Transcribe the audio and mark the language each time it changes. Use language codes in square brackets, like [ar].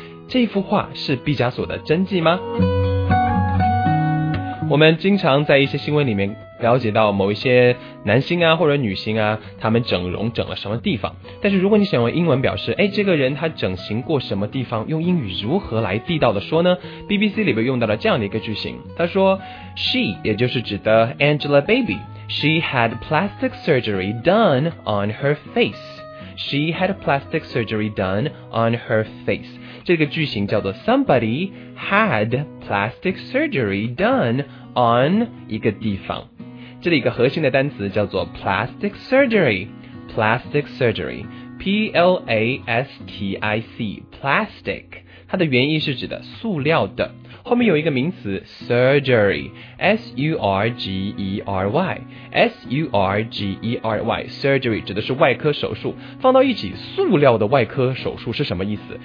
[zh] 这幅画是毕加索的真迹吗？我们经常在一些新闻里面了解到某一些男星啊或者女星啊，他们整容整了什么地方，但是如果你想用英文表示哎，这个人他整形过什么地方，用英语如何来地道的说呢？ BBC 里边用到了这样的一个句型，他说 She 也就是指的 Angelababy， [en] She had plastic surgery done on her face， [zh] She had plastic surgery done on her face。这个句型叫做 [en] Somebody had plastic surgery done on [zh] 一个地方，这里一个核心的单词叫做 plastic surgery， plastic surgery， P-L-A-S-T-I-C， plastic， 它的原意是指的塑料的，后面有一个名词 surgery， S-U-R-G-E-R-Y， S-U-R-G-E-R-Y， surgery 指的是外科手术，放到一起塑料的外科手术是什么意思？